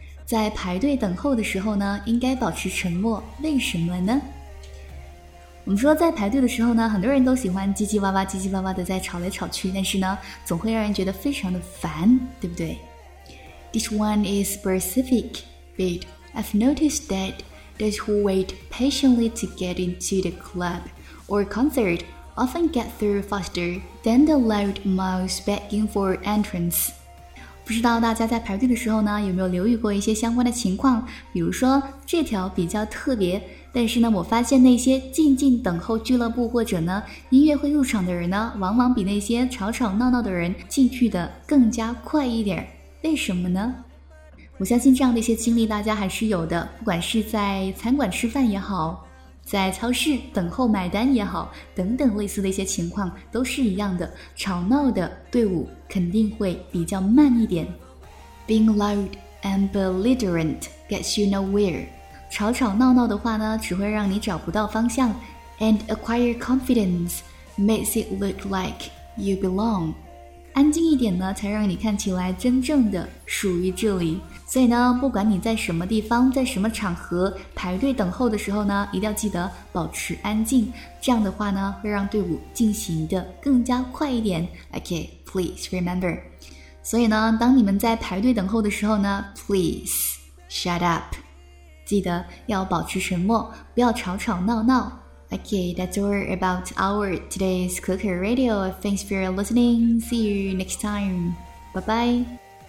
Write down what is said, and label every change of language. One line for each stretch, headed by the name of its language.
Chinese: 在排队等候的时候呢，应该保持沉默，为什么呢？我们说在排队的时候呢，很多人都喜欢叽叽哇哇、叽叽哇哇的在吵来吵去，但是呢，总会让人觉得非常的烦，对不对？
English: This one is specific, but I've noticed that those who wait patiently to get into the club or concert often get through faster than the loud mouths begging for entrance.
Chinese: 不知道大家在排队的时候呢，有没有留意过一些相关的情况？比如说这条比较特别，但是呢，我发现那些静静等候俱乐部或者呢音乐会入场的人呢，往往比那些吵吵闹闹的人进去的更加快一点。为什么呢？我相信这样的一些经历大家还是有的，不管是在餐馆吃饭也好，在超市等候买单也好，等等类似的一些情况都是一样的，吵闹的队伍肯定会比较慢一点。
English: Being loud and belligerent gets you nowhere.
Chinese: 吵吵闹闹的话呢，只会让你找不到方向。
English: And acquire confidence makes it look like you belong.
Chinese: 安静一点呢，才让你看起来真正的属于这里。所以呢，不管你在什么地方，在什么场合排队等候的时候呢，一定要记得保持安静，这样的话呢会让队伍进行的更加快一点。
English: Okay, please remember.
Chinese: 所以呢，当你们在排队等候的时候呢，
English: please shut up.
Chinese: 记得要保持沉默，不要吵吵闹闹。
English: Okay, that's all about our today's Kuku Radio. Thanks for listening. See you next time. Bye bye.